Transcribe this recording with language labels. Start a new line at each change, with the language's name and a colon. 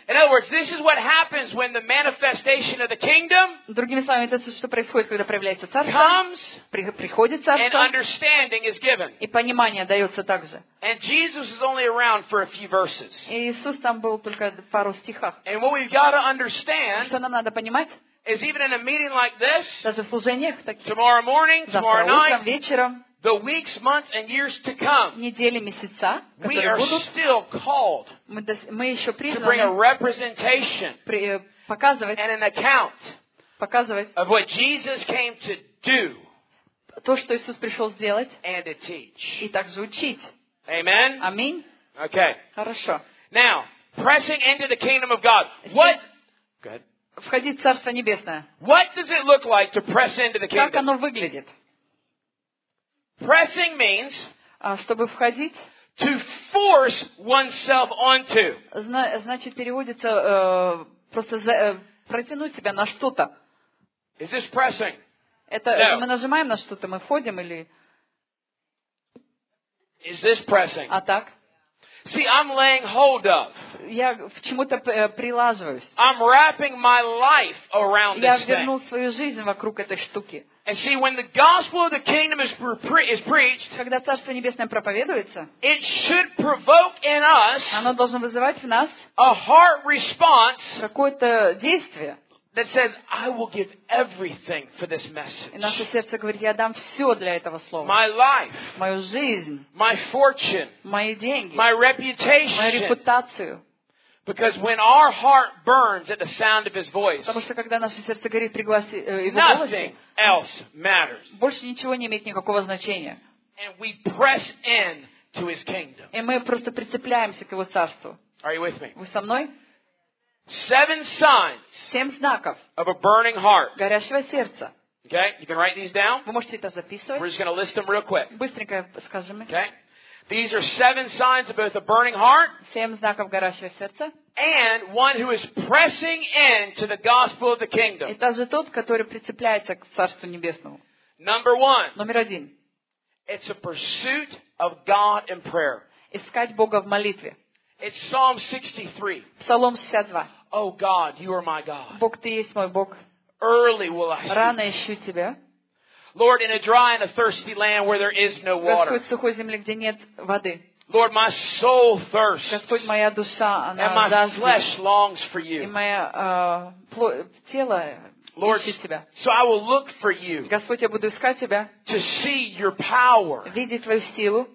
English: In other words, this is what happens when the manifestation of the kingdom,
Russian: другими словами, это то, что происходит, когда проявляется царство,
English: comes,
Russian: приходит царство,
English: and understanding is given.
Russian: И понимание дается также.
English: And Jesus is only around for a few verses.
Russian: И Иисус там был только пару стихах.
English: And what we've got to understand,
Russian: что нам надо понимать,
English: is even in a meeting like this,
Russian: даже в служениях таких,
English: tomorrow morning, tomorrow night,
Russian: утром, вечером,
English: the weeks, months, and years to come,
Russian: недели, месяца,
English: we are
Russian: будут,
English: still called
Russian: мы еще призваны
English: to bring a representation
Russian: показывать,
English: and an account
Russian: показывать,
English: of what Jesus came to do,
Russian: то, что Иисус пришел сделать,
English: and to teach.
Russian: И также учить.
English: Amen?
Russian: Аминь.
English: Okay.
Russian: Хорошо.
English: Now, pressing into the kingdom of God. What? Good.
Russian: Входить в Царство Небесное.
English: What does it look like to press into the kingdom?
Russian: Как оно выглядит?
English: Pressing means,
Russian: чтобы входить,
English: to force oneself onto.
Russian: Значит, переводится просто протянуть себя на что-то.
English: Is this pressing?
Russian: Это no. Мы нажимаем на что-то, мы входим или?
English: Is this pressing?
Russian: А так?
English: See, I'm laying hold of.
Russian: Я к чему-то прилаживаюсь.
English: I'm wrapping my life around this thing.
Russian: Я вернул свою жизнь вокруг этой штуки.
English: And see, when the gospel of the kingdom is preached,
Russian: когда Царство Небесное проповедуется,
English: it should provoke in us,
Russian: оно должно вызывать в нас,
English: a heart response,
Russian: какое-то действие,
English: that says, I will give everything for this message.
Russian: И наше сердце говорит, я дам все для этого слова.
English: My life.
Russian: Мою жизнь.
English: My fortune.
Russian: Мои деньги.
English: My reputation.
Russian: Мою репутацию.
English: Because when our heart burns at the sound of His voice,
Russian: потому что когда наше сердце горит при голосе Его,
English: nothing else matters.
Russian: Больше ничего не имеет никакого значения.
English: And we press in to His kingdom.
Russian: И мы просто прицепляемся к Его царству.
English: Are you with me?
Russian: Вы со мной?
English: Seven signs,
Russian: семь знаков,
English: of a burning heart,
Russian: горящего сердца.
English: Okay, you can write these down.
Russian: Вы можете это записывать.
English: We're just going to list them real quick.
Russian: Быстренько скажем их.
English: Okay, these are seven signs of both a burning heart,
Russian: семь знаков горящего сердца,
English: and one who is pressing in to the gospel of the kingdom.
Russian: Это же тот, который прицепляется к Царству Небесному.
English: Number one.
Russian: Номер один.
English: It's a pursuit of God in prayer.
Russian: Искать Бога в молитве.
English: It's Psalm 63.
Russian: Псалом 62.
English: Oh God, you are my God.
Russian: Бог, ты есть мой Бог.
English: Early will I seek.
Russian: Рано ищу тебя.
English: Lord, in a dry and a thirsty land where there is no water.
Russian: Господь, в сухой земле, где нет воды.
English: Lord, my soul thirsts.
Russian: Господь, моя душа, она жаждет.
English: And my flesh longs for you.
Russian: И моя тело
English: Lord,
Russian: ищет тебя.
English: So I will look for you.
Russian: Господь, я буду искать тебя.
English: To see your power.
Russian: Видеть твою силу.